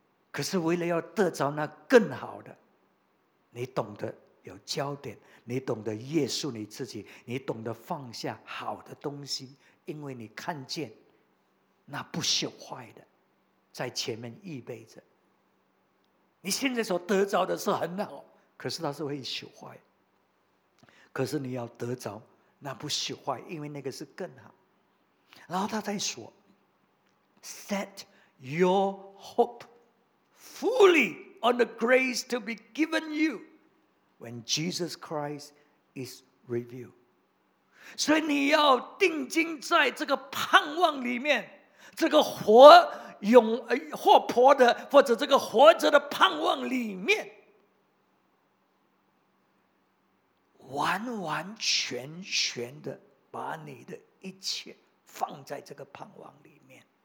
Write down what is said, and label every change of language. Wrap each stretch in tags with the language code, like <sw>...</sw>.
<zh>可是为了要得着那更好的，你懂得有焦点，你懂得约束你自己，你懂得放下好的东西，因为你看见那不朽坏的在前面预备着。你现在所得着的是很好，可是它是会朽坏。可是你要得着那不朽坏，因为那个是更好。然后他在说</zh> <en>Set your hope fully on the grace to be given you when Jesus Christ is revealed.</en> <zh>所以你要定睛在这个盼望里面，这个活永活泼的，或者这个活着的盼望里面，完完全全的把你的一切放在这个盼望里面。</zh>